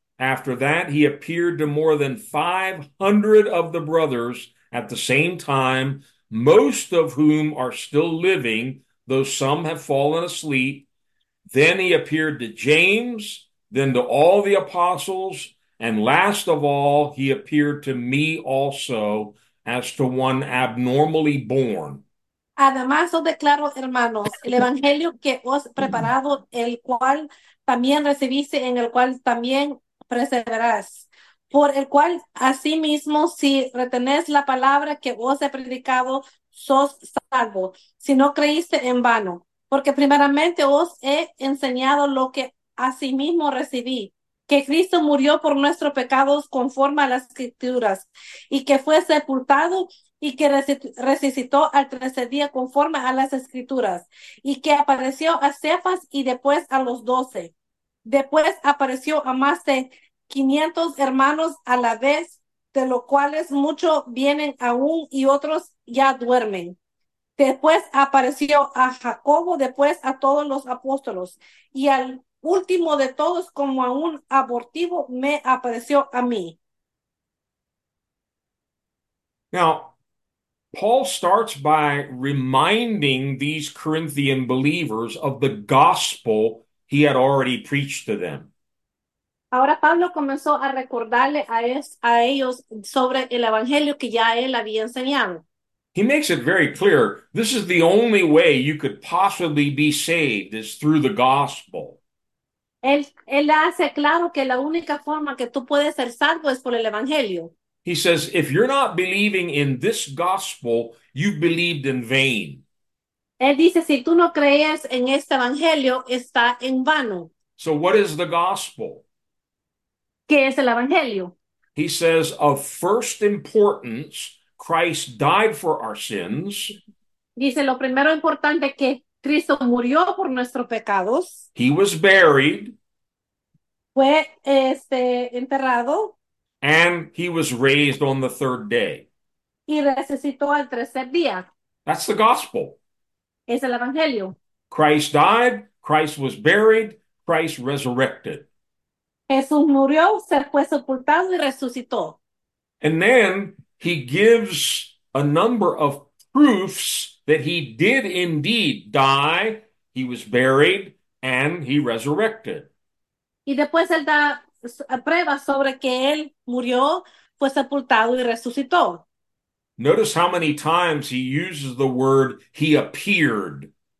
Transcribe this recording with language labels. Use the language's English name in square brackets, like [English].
[English] After that, he appeared to more than 500 of the brothers at the same time, most of whom are still living, though some have fallen asleep. Then he appeared to James, then to all the apostles, and last of all, he appeared to me also as to one abnormally born. [Spanish] Además, os declaro, hermanos, el evangelio que os he preparado, el cual también recibiste, en el cual también perseverás. Por el cual, asimismo, si retenés la palabra que os he predicado, sos salvo, si no creíste en vano. Porque primeramente os he enseñado lo que asimismo recibí, que Cristo murió por nuestros pecados conforme a las Escrituras, y que fue sepultado, y que resucitó al tercer día conforme a las Escrituras, y que apareció a Cefas y después a los doce. Después apareció a más de 500 hermanos a la vez, de los cuales muchos vienen aún y otros ya duermen. Después apareció a Jacobo, después a todos los apóstoles, y al último de todos, como a un abortivo, me apareció a mí. [English] Now, Paul starts by reminding these Corinthian believers of the gospel he had already preached to them. [Spanish] Ahora Pablo comenzó a recordarle a ellos sobre el evangelio que ya él había enseñado. [English] He makes it very clear, this is the only way you could possibly be saved is through the gospel. [Spanish] Él hace claro que la única forma que tú puedes ser salvo es por el evangelio. [English] He says, if you're not believing in this gospel, you've believed in vain. [Spanish] Él dice, si tú no crees en este evangelio, está en vano. [English] So, what is the gospel? [Spanish] ¿Qué es el evangelio? [English] He says, of first importance, Christ died for our sins. [Spanish] Dice lo primero importante que Cristo murió por nuestros pecados, [English] He was buried. [Spanish] fue enterrado [English] And he was raised on the third day. [Spanish] y resucitó al tercer día. [English] That's the gospel. [Spanish] Es el evangelio. [English] Christ died, Christ was buried, Christ resurrected. [Spanish] Jesús murió, se fue sepultado y resucitó. [English] And then he gives a number of proofs that he did indeed die, he was buried, and he resurrected. [Spanish] Y después él da pruebas sobre que él murió, fue sepultado y resucitó. [English] Notice how many times he uses the word he appeared.